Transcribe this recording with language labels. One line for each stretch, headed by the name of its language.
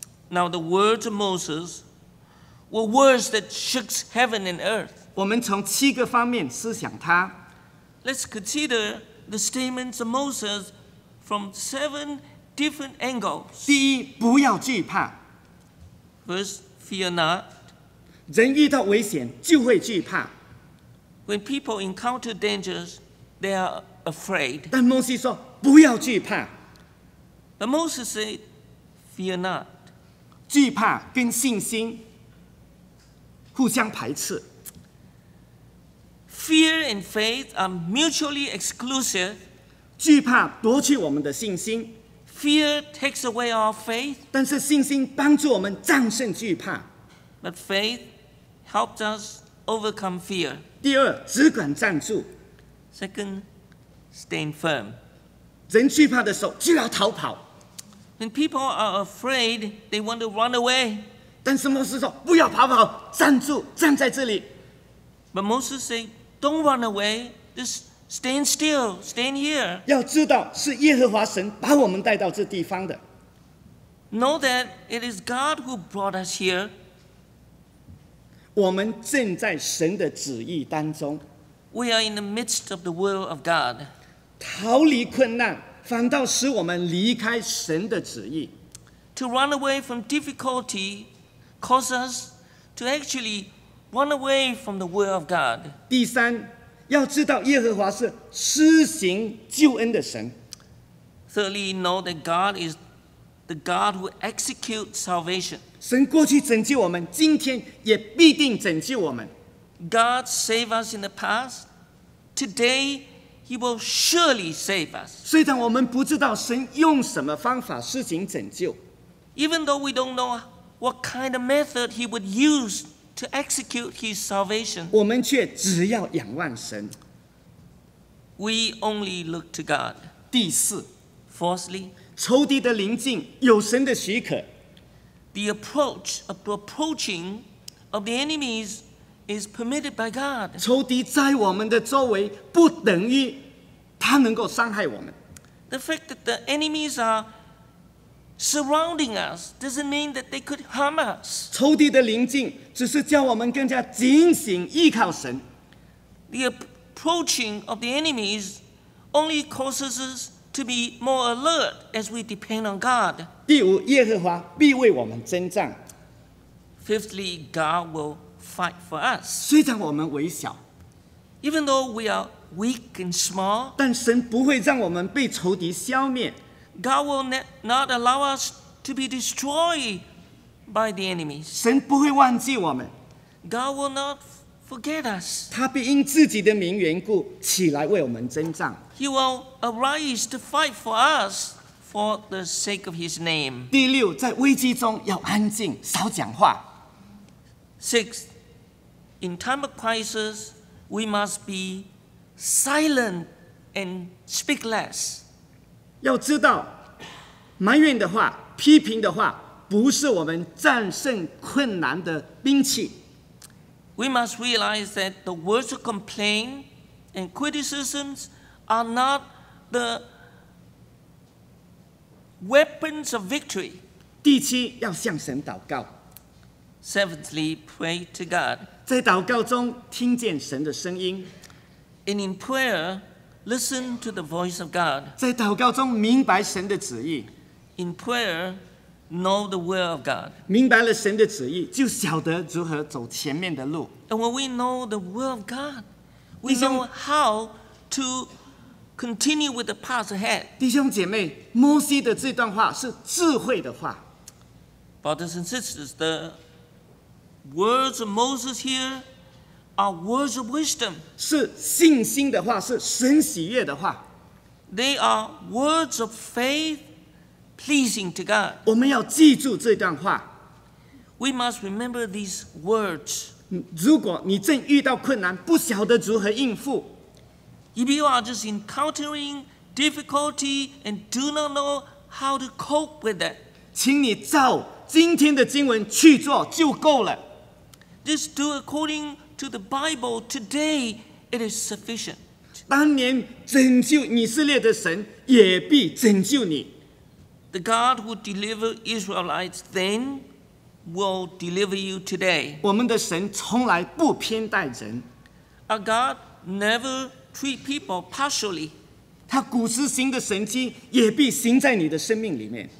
English: Now the words of Moses were words that shook heaven and earth.
Chinese: 我们从七个方面思想它。
English: Let's consider the statements of Moses from seven different angles.
Chinese: 第一，不要惧怕。
English: First, fear not.
Chinese: 人遇到危险就会惧怕。
English: When people encounter dangers, they are afraid.
Chinese: 但摩西说，不要惧怕。
English: But Moses said, fear not.
Chinese: 惧怕跟信心互相排斥。
English: Fear and faith are mutually exclusive.
Chinese: 惧怕夺去我们的信心。
English: Fear takes away our faith.
Chinese: 但是信心帮助我们战胜惧怕。
English: But faith helps us overcome fear.
Chinese: 第二，只管站住。
English: Second, stand firm.
Chinese: 人惧怕的时候就要逃跑。
English: When people are afraid, they want to run away.
Chinese: 但是摩西说，不要逃跑，站住，站在这里。
English: But Moses said, don't run away, just stand still, stand here.
Chinese: 要知道是耶和华神把我们带到这地方的。
English: Know that it is God who brought us here.
Chinese: 我们正在神的旨意当中。
English: We are in the midst of the will of God.
Chinese: 逃离困难反倒使我们离开神的旨意。
English: To run away from difficulty causes us to actually run away from the will of God.
Chinese: 第三，要知道耶和华是施行救恩的神。
English: Thirdly, know that God is the God who executes salvation.
Chinese: 神过去拯救我们，今天也必定拯救我们。
English: God saved us in the past. Today, He will surely save us.
Chinese: 虽然我们不知道神用什么方法施行拯救。
English: Even though we don't know what kind of method He would use to execute his salvation.
Chinese: 我们却只要仰望神。
English: We only look to God.
Chinese: 第四。
English: Fourthly,
Chinese: 仇敌的临近有神的许可。
English: The approach of the approaching of the enemies is permitted by God.
Chinese: 仇敌在我们的周围不等于他能够伤害我们。
English: The fact that the enemies are surrounding us doesn't mean that they could harm us.
Chinese: 仇敌的临近只是叫我们更加警醒依靠神。
English: The approaching of the enemies only causes us to be more alert as we depend on God.
Chinese: 第五，耶和华必为我们征战。
English: Fifthly, God will fight for us.
Chinese: 虽然我们微小，
English: even though we are weak and small,
Chinese: 但神不会让我们被仇敌消灭。
English: God will not allow us to be destroyed by the enemies.
Chinese: 神不会忘记我们。
English: God will not forget us.
Chinese: 他必因自己的名缘故起来为我们征战。
English: He will arise to fight for us for the sake of His name.
Chinese: 第六，在危机中要安静，少讲话。
English: Sixth, in time of crisis, we must be silent and speak less.
Chinese: 要知道，埋怨的话、批评的话，不是我们战胜困难的兵器。
English: We must realize that the words of complaint and criticisms are not the weapons of victory.
Chinese: 第七，要向神祷告。
English: Seventhly, pray to God.
Chinese: 在祷告中听见神的声音。
English: And in prayer, listen to the voice of God.
Chinese: 在祷告中明白神的旨意。
English: In prayer, know the will of God.
Chinese: 明白了神的旨意，就晓得如何走前面的路。
English: And when we know the will of God, we know how to continue with the path ahead.
Chinese: 弟兄姐妹，摩西的这段话是智慧的话。
English: Brothers and sisters, the words of Moses here are words of wisdom.
Chinese: 是信心的话，是神喜悦的话。
English: They are words of faith pleasing to God.
Chinese: 我们要记住这段话。
English: We must remember these words.
Chinese: 如果你正遇到困难，不晓得如何应付。
English: If you are just encountering difficulty and do not know how to cope with it,
Chinese: 请你照今天的经文去做就够了。
English: Just do according to the Bible today, it is sufficient.
Chinese: 当年拯救以色列的神也必拯救你。
English: The God who delivered Israelites then will deliver you today.
Chinese: 我们的神从来不偏待人。
English: Our God never treat people partially.
Chinese: 他古时行的神迹也必行在你的生命里面。